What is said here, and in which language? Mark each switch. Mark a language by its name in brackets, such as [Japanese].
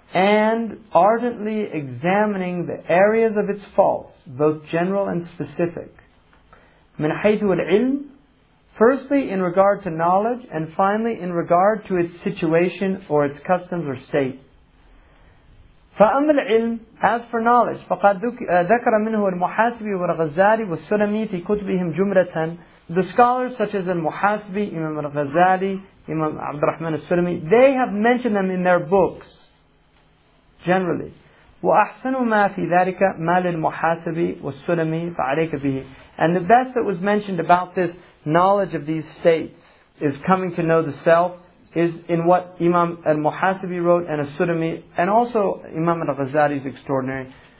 [English] and ardently examining the areas of its faults, both general and specific. [Arabic] من حيث العلم, [English] firstly in regard to knowledge, and finally in regard to its situation or its customs or state. [Arabic] فأما العلم, [English] as for knowledge, [Arabic] فقد ذكر منه المحاسبي والغزالي والسلمي في كتبهم جمرة. [English] The scholars such as al-Muhasibi, Imam al-Ghazali, Imam Abd al-Rahman al-Sulami, they have mentioned them in their books, generally. [Arabic] وَأَحْسَنُ مَا فِي ذَلِكَ مَا لِلْمُحَاسِبِ وَالسُّلَمِ فَعَلَيْكَ بِهِ. [English] And the best that was mentioned about this knowledge of these states is coming to know the self is in what Imam al-Muhasibi wrote and al-Sulami, and also Imam al-Ghazali is extraordinary.